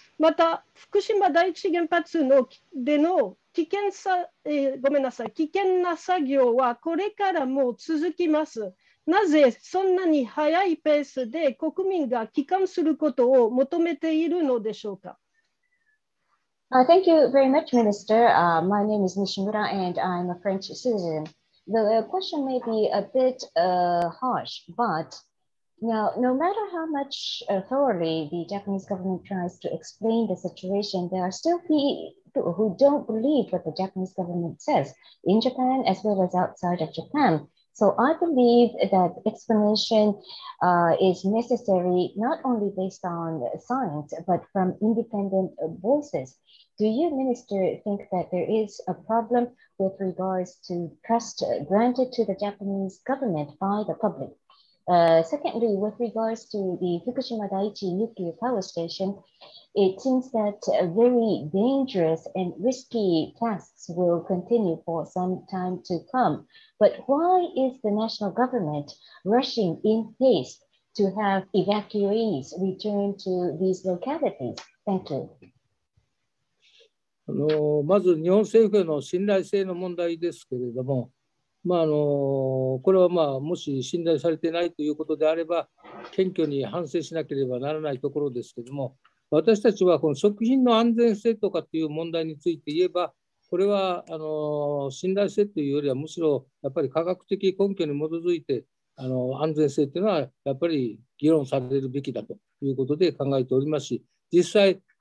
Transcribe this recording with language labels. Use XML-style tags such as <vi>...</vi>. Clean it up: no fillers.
<ja>また福島第一原発のでの危険さ、ごめんなさい、危険な作業はこれからも続きます。なぜそんなに早いペースで国民が帰還することを求めているのでしょうか？</ja> <en>Thank you very much, Minister. My name is Nishimura and I'm a French citizen. The question may be a bit harsh, butNow, no matter how much thoroughly the Japanese government tries to explain the situation, there are still people who don't believe what the Japanese government says in Japan as well as outside of Japan. So I believe that explanation is necessary not only based on science, but from independent voices. Do you, Minister, think that there is a problem with regards to trust granted to the Japanese government by the public? Secondly, with regards to the Fukushima Daiichi nuclear power station, it seems that very dangerous and risky tasks will continue for some time to come. But why is the national government rushing in haste to have evacuees return to these localities? Thank you.</en> <ja>まず日本政府への信頼性の問題ですけれども、これはもし信頼されていないということであれば謙虚に反省しなければならないところですけれども、私たちはこの食品の安全性とかという問題について言えば、これは信頼性というよりはむしろやっぱり科学的根拠に基づいて安全性というのはやっぱり議論されるべきだということで考えておりますし、実際</ja>